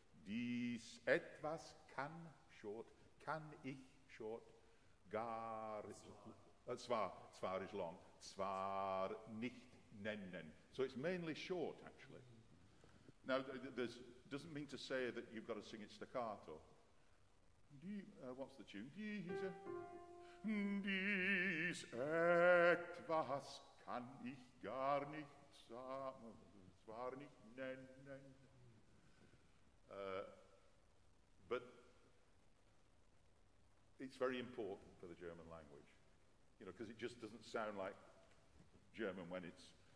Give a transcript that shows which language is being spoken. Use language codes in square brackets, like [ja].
[de] Dies etwas kann, [en] short. [de] Kann ich, short. Gar. Zwar [en] is long. [de] Zwar nicht nennen. [en] So it's mainly short, actually. Now, this doesn't mean to say that you've got to sing it staccato. What's the tune? [de] Dies etwas kann ich gar nicht sagen, zwar nicht nennen. [en] But it's very important for the German language, you know, because it just doesn't sound like German when it's.